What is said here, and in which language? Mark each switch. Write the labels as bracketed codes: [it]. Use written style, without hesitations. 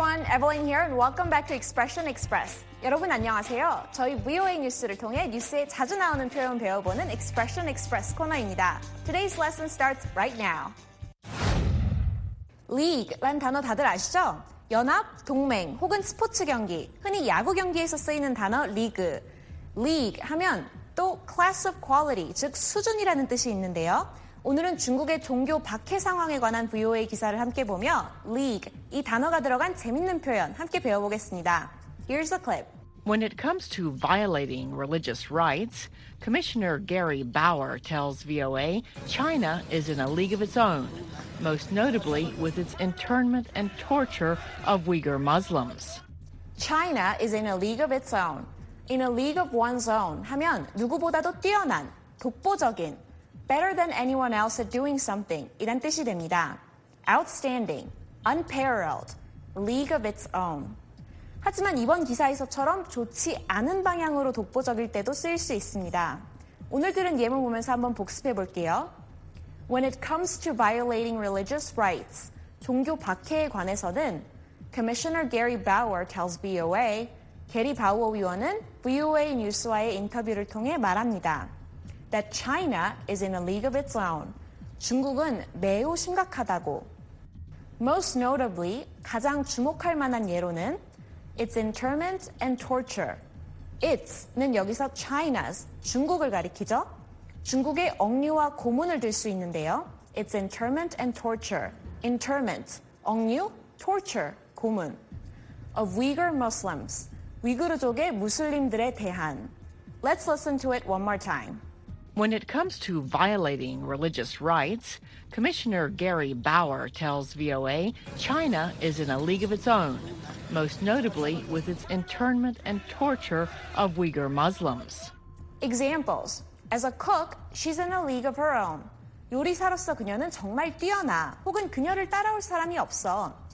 [en] 에벌린 here and welcome back to Expression Express. [ko] 여러분 안녕하세요. 저희 VOA 뉴스를 통해 뉴스에 자주 나오는 표현 배워보는 Expression Express 코너입니다. [en] Today's lesson starts right now. [ko] League란 단어 다들 아시죠? 연합, 동맹 혹은 스포츠 경기, 흔히 야구 경기에서 쓰이는 단어 리그. League 하면 또 [en] class of quality, [ko] 즉 수준이라는 뜻이 있는데요. 오늘은 중국의 종교 박해 상황에 관한 VOA 기사를 함께 보며 League, 이 단어가 들어간 재밌는 표현 함께 배워보겠습니다. [en] Here's a clip. When it comes to violating religious rights, Commissioner Gary Bauer tells VOA China is in a league of its own, most notably with its internment and torture of Uyghur Muslims. China is in a league of its own. In a league of one's own [ko] 하면 누구보다도 뛰어난, 독보적인, [en] better than anyone else at doing something [ko] 이란 뜻이 됩니다. [en] Outstanding, unparalleled, league of its own. [ko] 하지만 이번 기사에서처럼 좋지 않은 방향으로 독보적일 때도 쓰일 수 있습니다. 오늘 들은 예문 보면서 한번 복습해 볼게요. [en] When it comes to violating religious rights, [ko] 종교 박해에 관해서는 [en] Commissioner Gary Bauer tells VOA, [ko] 게리 바우어 위원은 VOA 뉴스와의 인터뷰를 통해 말합니다. [en] That China is in a league of its own. [ko] 중국은 매우 심각하다고. Most notably, 가장 주목할 만한 예로는 [en] It's internment and torture. [ko] It's는 여기서 China's, 중국을 가리키죠. 중국의 억류와 고문을 들 수 있는데요. [en] It's internment and torture. Internment, [ko] 억류, [en] torture, [ko] 고문. [en] Of Uyghur Muslims, [ko] 위구르족의 무슬림들에 대한. [en] Let's listen to it one more time. When it comes to violating religious rights, Commissioner Gary Bauer tells VOA China is in a league of its own, most notably with its internment and torture of Uyghur Muslims. Examples. As a cook, she's in a league of her own. [ko] 요리사로서 그녀는 정말 뛰어나, 혹은 그녀를 따라올 사람이 없어.